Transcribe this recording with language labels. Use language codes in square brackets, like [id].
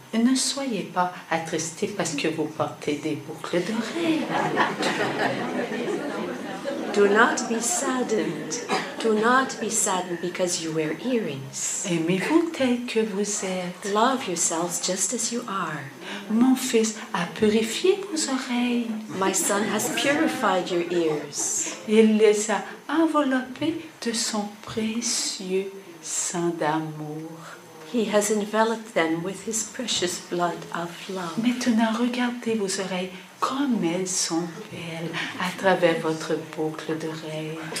[fr] Ne soyez pas attristés parce que vous portez des boucles d'oreilles. [en] Do not be saddened. Do not be saddened because you wear earrings. [fr] Aimez-vous tel que vous êtes. [en] Love yourselves just as you are. [fr] Mon fils a purifié vos oreilles. [en] My son has purified your ears. [fr] Il les a enveloppées de son précieux sang d'amour. [en] He has enveloped them with his precious blood of love. [fr] Maintenant, regardez vos oreilles. Comme elles sont belles à travers votre boucle d'oreille.